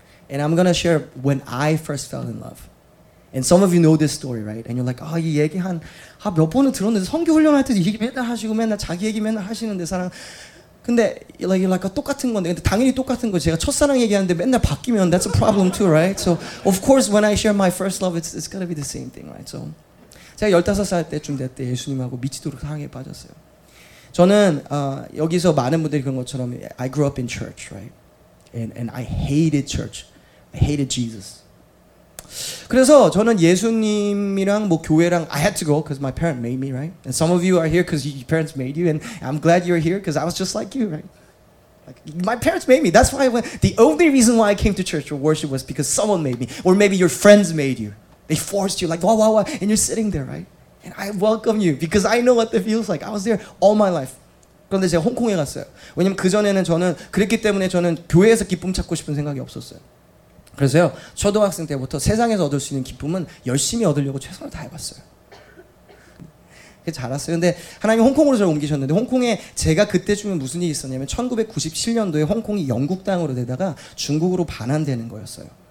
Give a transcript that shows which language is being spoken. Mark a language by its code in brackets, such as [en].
[en] And I'm gonna share when I first fell in love. And some of you know this story, right? And you're like, [ko] 아, 이 얘기 한 아, 몇 번은 들었는데 성경 훈련할 때도 얘기 맨날 하시고 맨날 자기 얘기 맨날 하시는데 사랑. 근데 like, 아까 똑같은 건데 근데 당연히 똑같은 거 제가 첫사랑 얘기하는데 맨날 바뀌면 [en] that's a problem too, right? So of course when I share my first love, it's gonna be the same thing, right? [ko] So 제가 15살 때쯤 됐대 예수님하고 미치도록 사랑에 빠졌어요. 저는 여기서 많은 분들이 그런 것처럼 [en] I grew up in church, right? And I hated church. I hated Jesus. [ko] 그래서 저는 예수님이랑 뭐 교회랑 [en] I had to go because my parents made me, right? And some of you are here because your parents made you and I'm glad you're here because I was just like you, right? Like, my parents made me. That's why I went. The only reason why I came to church or worship was because someone made me. Or maybe your friends made you. They forced you like, wah, wah, wah. And you're sitting there, right? And I welcome you because I know what it feels like. I was there all my life. [ko] 그런데 제가 홍콩에 갔어요. 왜냐면 그전에는 저는 그랬기 때문에 저는 교회에서 기쁨 찾고 싶은 생각이 없었어요. 그래서요, 초등학생 때부터 세상에서 얻을 수 있는 기쁨은 열심히 얻으려고 최선을 다해봤어요. 그게 잘했어요. 근데 하나님이 홍콩으로 저를 옮기셨는데 홍콩에 제가 그때쯤에 무슨 일이 있었냐면 1997년도에 홍콩이 영국 땅으로 되다가 중국으로 반환되는 거였어요.